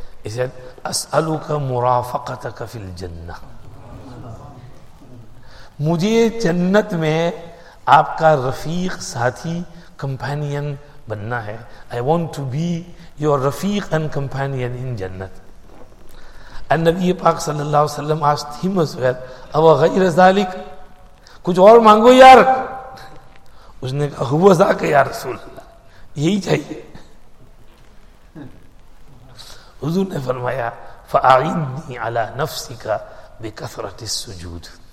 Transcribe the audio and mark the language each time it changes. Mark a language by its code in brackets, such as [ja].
[en] He said, [ar] اسألوک مرافقتک فی الجنہ. [ur] مجھے جنت میں آپ کا رفیق، ساتھی، کمپینین بننا ہے. [en] I want to be your رفیق and companion in جنت. [ur] اور نبی پاک صلی اللہ علیہ وسلم [en] asked him as well, [ar] اوہ غیر ذالک، [ur] کچھ اور مانگو یار. اس نے کہا [ar] ہوا ذاک یا رسول اللہ، [ur] یہی چاہیے. [ar] حضور نے فرمایا فَأَعِنِّي عَلَى نَفْسِكَ بِكَثْرَةِ السُّجُودِ.